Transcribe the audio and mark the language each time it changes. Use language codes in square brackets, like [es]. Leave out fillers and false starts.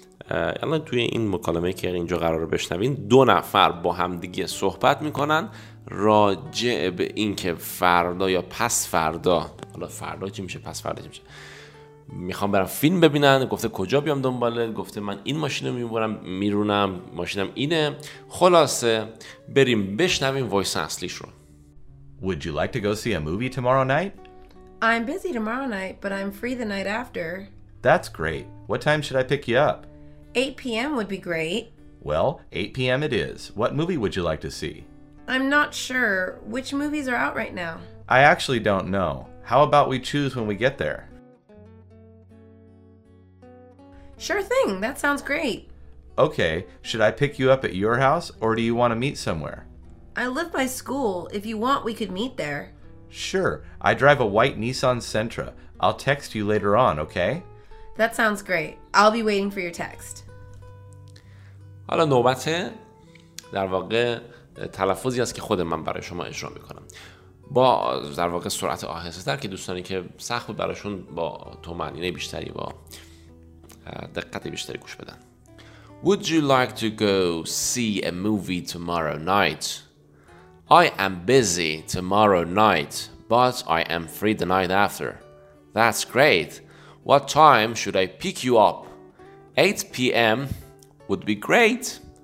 [fa] الان توی این مکالمه که اینجا قرار بشنوین، دو نفر با همدیگه صحبت میکنن راجع به این که فردا یا پس فردا، حالا فردا چی میشه پس فردا چی میشه، میخوام برم فیلم ببینن. گفته کجا بیام دنبالت، گفته من این ماشینو میبرم میرونم، ماشینم اینه. خلاصه بریم بشنویم وایس اصلیش رو. [en] Would you like to go see a movie tomorrow night? I'm busy tomorrow night, but I'm free the night after. That's great. What time should I pick you up? 8 p.m. would be great. Well, 8 p.m. it is. What movie would you like to see? I'm not sure. Which movies are out right now? I actually don't know. How about we choose when we get there? Sure thing. That sounds great. Okay. Should I pick you up at your house, or do you want to meet somewhere? I live by school. If you want, we could meet there. Sure. I drive a white Nissan Sentra. I'll text you later on, okay? That sounds great. I'll be waiting for your text. [fa] حالا نوبته در واقع تلفظی است که خود من برای شما اجرا میکنم با در واقع سرعت آهسته تر، که دوستانی که سخت بود براشون با تومانینه بیشتری با دقت بیشتری گوش بدن. [en] Would you like to go see a movie tomorrow night? I am busy tomorrow night, but I am free the night after. That's great. What time should I pick you up? 8 p.m. would be great.